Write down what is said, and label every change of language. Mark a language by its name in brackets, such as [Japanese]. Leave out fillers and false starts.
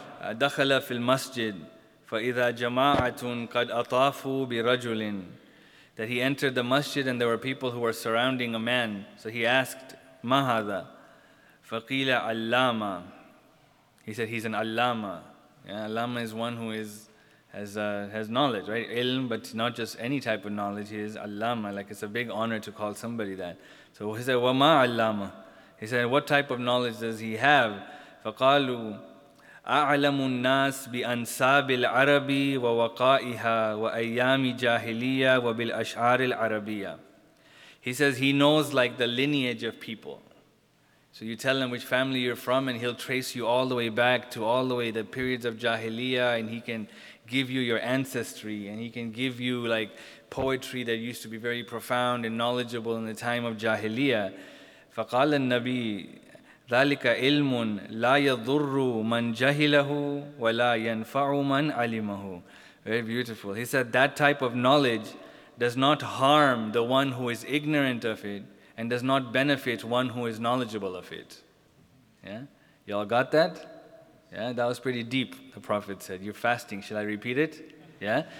[Arabic] دخل في المسجد فإذا جماعة قد أطافوا برجل. [English] That he entered the masjid and there were people who were surrounding a man. So he asked, [Arabic] ما هذا؟ فقيل علامة. [English] He said, he's an علامة. Yeah, علامة is one who is has knowledge, right? Ilm, but not just any type of knowledge. He is علامة. Like, it's a big honor to call somebody that. So he said, [Arabic] وما علامة؟ [English] He said, what type of knowledge does he have? [Arabic] فقالوا أعلم الناس بأنساب العربي ووقائها وأيام جاهلية وبالأشعار العربية. [English] He says he knows like the lineage of people. So you tell him which family you're from and he'll trace you all the way back to all the way the periods of Jahiliyyah, and he can give you your ancestry and he can give you like poetry that used to be very profound and knowledgeable in the time of Jahiliyyah. [Arabic] فقال النبي ذلك علم لا يضر من جهله ولا ينفع من علمه. [English] Very beautiful. He said that type of knowledge does not harm the one who is ignorant of it and does not benefit one who is knowledgeable of it. Yeah? Y'all got that? Yeah? That was pretty deep, the Prophet said. You're fasting. Shall I repeat it? Yeah?